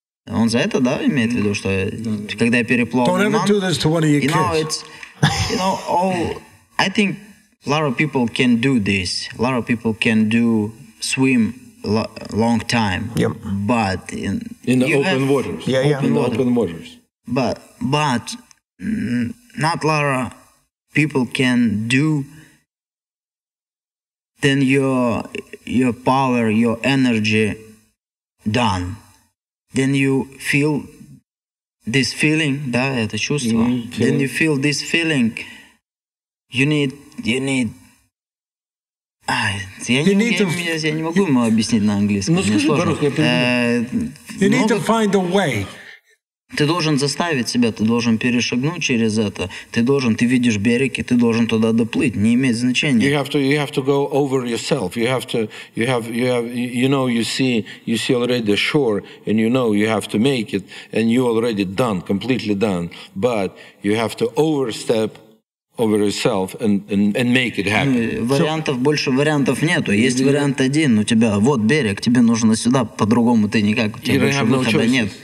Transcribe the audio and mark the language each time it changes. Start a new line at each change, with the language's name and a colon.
Russian: Он за это, да, имеет в виду, что когда я переплыл...
English: Don't ever do this to one of your kids. You know, all... I think A lot of people can do this. A lot of people can do swim long time. Yep. But in the open waters. Yeah, yeah. In the open waters. But not a lot of people can do. Then your power, your energy, done. Then you feel this feeling,
Russian: да, это чувство.
English: Mm-hmm. Then you feel this feeling. You need.
Russian: Я не могу ему объяснить на английском. Ну скажи, по-русски.
English: You need to find a way.
Russian: Ты должен заставить себя, ты должен перешагнуть через это. Ты видишь берег, и ты должен туда доплыть. Не имеет значения.
English: You have to go over yourself. You see already the shore, and you know you have to make it, and you already done, completely done. But you have to overstep over yourself and make it happen.
Russian: Вариантов, so, больше вариантов нету. Есть вариант один, у тебя вот берег, тебе нужно сюда, по-другому ты никак, у тебя больше выхода нет.